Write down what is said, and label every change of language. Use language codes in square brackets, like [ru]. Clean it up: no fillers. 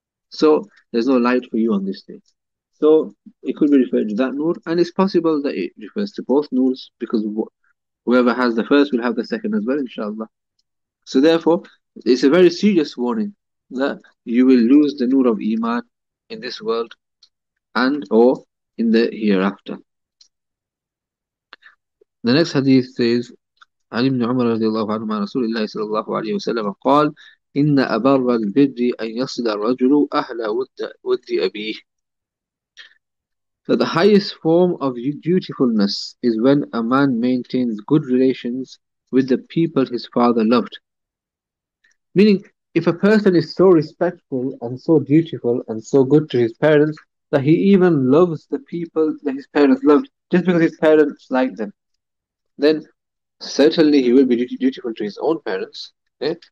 [en] So there's no light for you on this day. So it could be referred to that nur, and it's possible that it refers to both nurs, because whoever has the first will have the second as well, inshallah. So therefore, it's a very serious warning that you will lose the nur of iman in this world and or in the hereafter. The next hadith says, [ar] عن ابن عمر رضي الله عنه عن رسول الله صلى الله عليه وسلم قال إن أبر البر أن يصل الرجل أهل ود أبيه. [en] So the highest form of dutifulness is when a man maintains good relations with the people his father loved. Meaning, if a person is so respectful and so dutiful and so good to his parents that he even loves the people that his parents loved just because his parents like them, then certainly he will be dutiful to his own parents. Yeah?